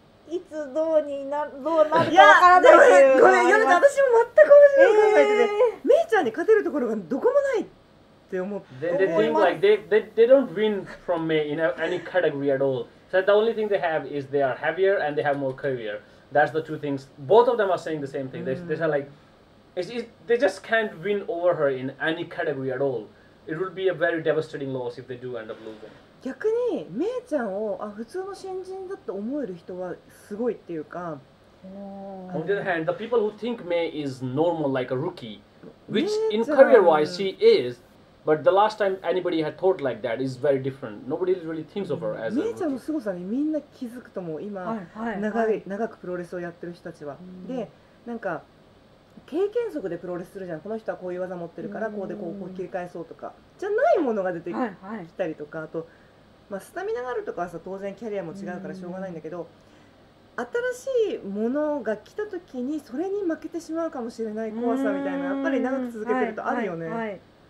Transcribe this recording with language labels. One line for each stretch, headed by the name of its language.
Japanese: いつどうになるかわからないっていう。ごめん、ヨネちゃん、私も全く同じように考えてて、メイちゃんに勝てるところがどこもないって思って。
English: They think like they don't win from Mei in any category at all. So the only thing they have is they are heavier and they have more career. That's the two things. Both of them are saying the same thing. They are like, they just can't win over her in any category at all. It would be a very devastating loss if they do end up losing.
Japanese: 逆にメイちゃんを、あ、普通の新人だと思える人はすごいっていうか。
English: On the other hand, the people who think Mei is normal like a rookie, which in career-wise she is, but the last time anybody had thought like that is very different. Nobody really thinks of her as a rookie.
Japanese: メイちゃんの凄さにみんな気づくと思う。今、長くプロレスをやってる人たちは。で、なんか経験則でプロレスするじゃん。この人はこういう技持ってるから、こうでこう切り返そうとか。じゃないものが出てきたりとか、あと、まあ、スタミナがあるとかはさ、当然キャリアも違うからしょうがないんだけど、新しいものが来た時にそれに負けてしまうかもしれない怖さみたいな、やっぱり長く続けてるとあるよね。